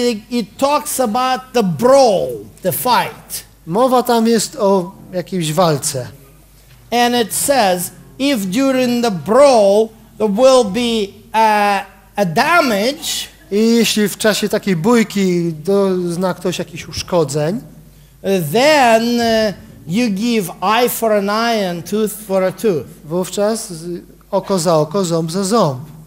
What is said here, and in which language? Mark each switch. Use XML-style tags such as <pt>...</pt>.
<en>It talks about the brawl, the fight.</en> <pl>Mowa tam jest o jakiejś walce.</pl> <en>And it says, if during the brawl there will be a damage.</en> <pl>I jeśli w czasie takiej bójki dozna ktoś jakichś uszkodzeń.</pl> <en>Then you give eye for an eye and tooth for a tooth.</en> <pl>Wówczas oko za oko, ząb za ząb.</pl>